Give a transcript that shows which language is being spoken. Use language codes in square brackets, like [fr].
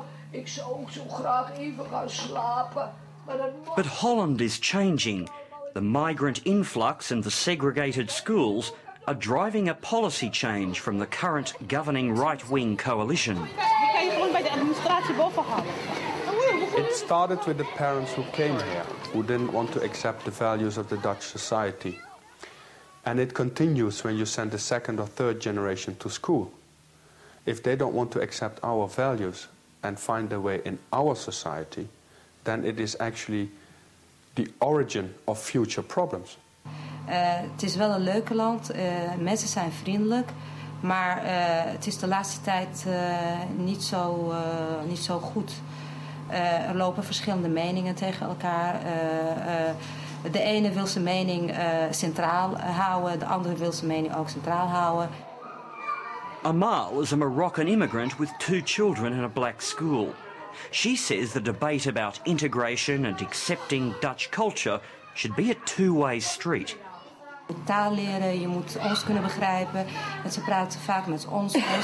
[nl] Ik zou ook zo graag even gaan slapen. [en] But Holland is changing. The migrant influx and the segregated schools are driving a policy change from the current governing right-wing coalition. It started with the parents who came here, who didn't want to accept the values of the Dutch society. And it continues when you send the second or third generation to school. If they don't want to accept our values and find their way in our society, then it is actually the origin of future problems. [nl] Het is wel een leuke land, mensen zijn vriendelijk, maar het is de laatste tijd niet zo goed. Er lopen verschillende meningen tegen elkaar. De ene wil zijn mening centraal houden, de andere wil zijn mening ook centraal houden. [en] Amal is a Moroccan immigrant with two children in a black school. She says the debate about integration and accepting Dutch culture should be a two-way street. [nl] Taal leren, je moet ons kunnen begrijpen. En ze praten vaak met ons.